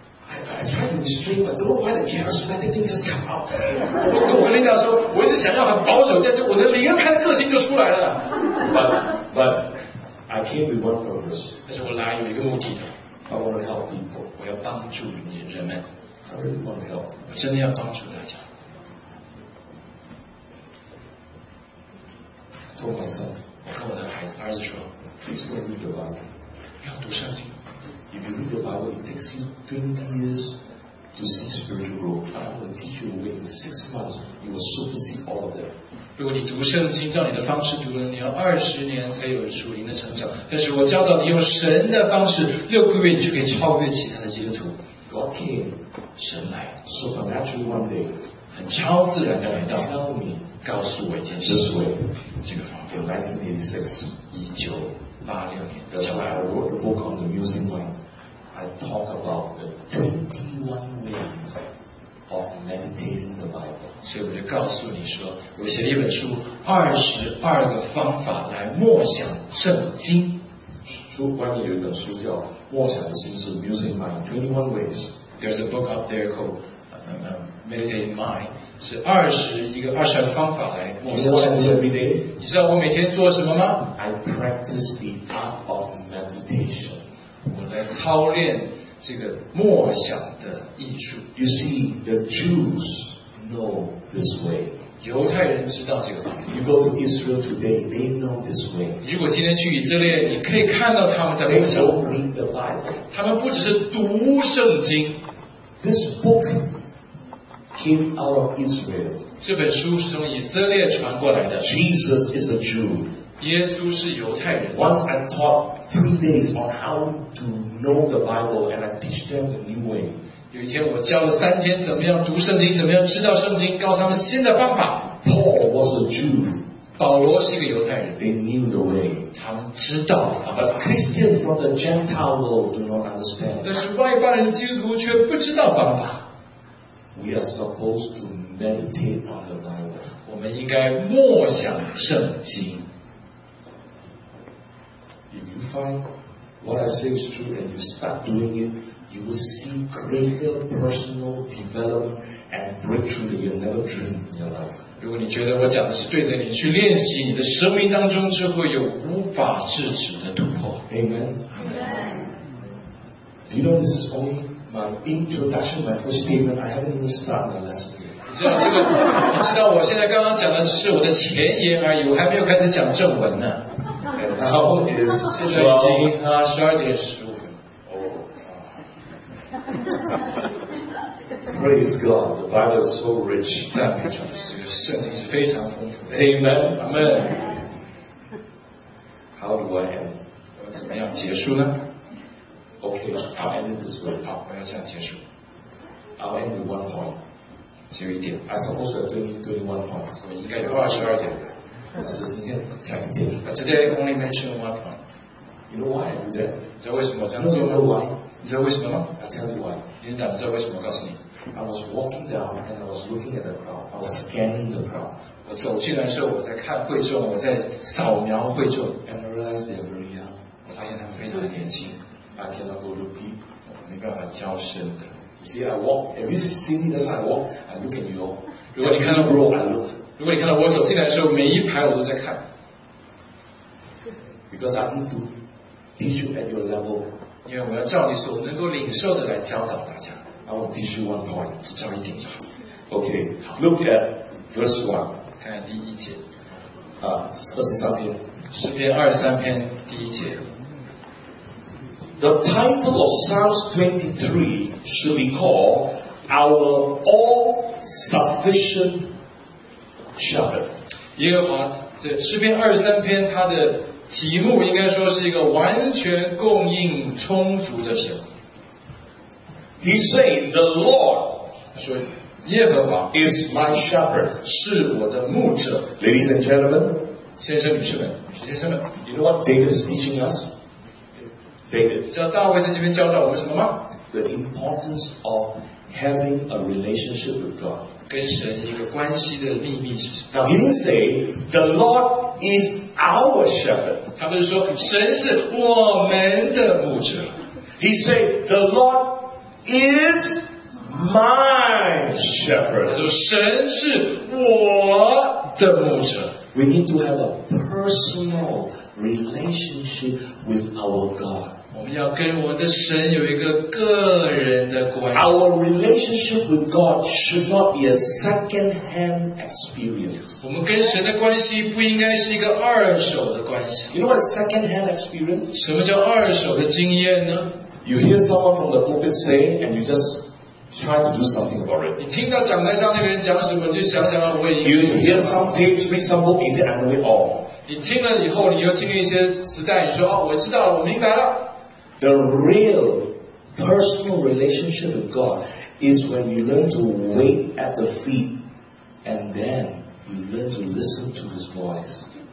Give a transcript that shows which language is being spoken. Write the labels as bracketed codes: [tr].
[en] I tried to restrain, but don't know why the chaos, let the thing just come out. [zh] 我跟我领导说，我一直想要很保守，但是我的灵恩派的个性就出来了。 [en] But I came with one purpose. [zh] 但是我来有一个目的的。 [en] I want to help people. [zh] 我要帮助你人们。 [en] I really want to help. [zh] 我真的要帮助大家。 [en] Told my son. [zh] 我跟我的孩子儿子说 [en] ，Please go read the Bible. [zh] 要读圣经。 [en] If you read the Bible, it takes you 20 years to see spiritual growth. I will teach you within 6 months. You will supersede all of them. [zh] 如果你读圣经，照你的方式读了，你要20年才有属灵的成长。但是我教导你用神的方式，6个月你就可以超越其他的基督徒。 [en] God came, [zh] 神来 [en] supernaturally one day, [zh] 很超自然的来到。 [en] Tell me, [zh] 告诉我一件事。 [en] This way, [zh] 这个方法。 [en] In 1986, [zh] 1986年。 [en] That's why I wrote the book on the music mind. I talk about the 21 ways of meditating the Bible. [zh] 所以我就告诉你说，我写了一本书，22个方法来默想圣经。书外面有一本书叫《默想的心智》（Musing Mind, 21 Ways）。 [en] There's a book up there called Meditating Mind， [zh] 是22个方法来默想圣经。你知道我每天做什么吗 [en] ？I practice the art of meditation。 [zh] 我来操练这个默想的艺术。 [en] You see the Jews. Know this way. [zh] 犹太人知道这个方法。 [en] You go to Israel today, they know this way. [zh] 如果今天去以色列，你可以看到他们在默想。 [en] They don't read the Bible. [zh] 他们不只是读圣经。 [en] This book came out of Israel. [zh] 这本书是从以色列传过来的。 [en] Jesus is a Jew. [zh] 耶稣是犹太人。 [en] Once I taught 3 days on how to know the Bible, and I teach them the new way. [zh] 有一天我教了3天怎么样读圣经怎么样知道圣经告诉他们新的方法 [en] Paul was a Jew [zh] 保罗是一个犹太人 [en] They knew the way [zh] 他们知道方法 [en] But Christians from the Gentile world do not understand [zh] 但是外邦人基督徒却不知道方法 [en] We are supposed to meditate on the Bible [zh] 我们应该默想圣经 [en] If you find what I say is true and you start doing itYou will see greater personal development and breakthrough that you never dreamed in your life. [zh] 如果你觉得我讲的是对的，你去练习，你的生命当中就会有无法制止的突破。 [en] Amen. Amen. Do you know this is only my introduction, my first statement? I haven't even started my lesson yet. [zh] 你知道这个？你知道我现在刚刚讲的只是我的前言而已，我还没有开始讲正文呢。 [en] And now is [zh] 现在已经啊12:15。 [en] Praise God, the Bible is so rich. [zh] 赞美主，这个圣经是非常丰富的。 [en] Amen, Amen. How do I end? [zh] 我怎么样结束呢 [en] ？Okay, I'll end it this way. [zh] 好，我要这样结束。 [en] I'll end with one point. [zh] 只有一点。 [en] I suppose I'm doing one point. [zh] 我应该有22点。但是今天讲一点。 [en] But today I only mentioned one point. You know why I do that? [zh] 你知道为什么我这样做 [en] ？You know why? [zh] 你知道为什么吗 [en] ？I tell you why. [zh] 你知道为什么？我告诉你。 [en] I was walking down and I was looking at the crowd. I was scanning the crowd. [zh] 我走进来的时候，我在看会众，我在扫描会众。 [en] And I realized they're very young. [zh] 我发现他们非常年轻。 [en] I cannot go look deep. [zh] 我没办法交深的。 [en] You see, I walk. If you see me, that's how I walk. I look at you. [zh] 如果你看到 [en] bro, I look. [zh] 如果你看到我走进来的时候，每一排我都在看。 [en] Because I need to teach you at your level. [zh] 因为我要照你所能够领受的来教导大家。 [en] I will teach you one point， [zh] 只教一点就好。 [en] Okay， look at verse one， [zh] 看看第一节。啊，23篇， 23篇第一节。 [en] The title of Psalms 23 should be called Our All Sufficient Shepherd。 [zh] 耶和华，这23篇它的。题目应该说是一个完全供应充足的神。 [en] He said, "The Lord," [zh] 他说，耶和华 [en] "is my shepherd," [zh] 是我的牧者。 [en] Ladies and gentlemen, [zh] 先生女士们，先生们 [en] ，You know what David is teaching us? David, [zh] 知道大卫在这边教导我们什么吗 [en] ？The importance of having a relationship with God. [zh] 跟神一个关系的秘密是什 [en] 么 ？Now he didn't say, "The Lord is." Our shepherd. [zh] 他不是说神是我们的牧者。 [en] He said, "The Lord is my shepherd." [zh] 他说神是我的牧者。 [en] We need to have a personal relationship with our God. [zh] 我们要跟我们的神有一个个人的关系。 [en] Our relationship with God should not be a second-hand experience. [zh] 我们跟神的关系不应该是一个二手的关系。 [en] You know what second-hand experience? [zh] 什么叫二手的经验呢？ [en] You hear someone from the pulpit say, and you just try to do something about it. [zh] 你听到讲台上那个人讲什么，你就想想要为。 [en] You hear some tapes, read some book, is it under it all? [zh] 你听了以后，你又听了一些磁带，你说哦，我知道了，我明白了。 [en] The real personal relationship with God is when you learn to wait at the feet and then you learn to listen to His voice.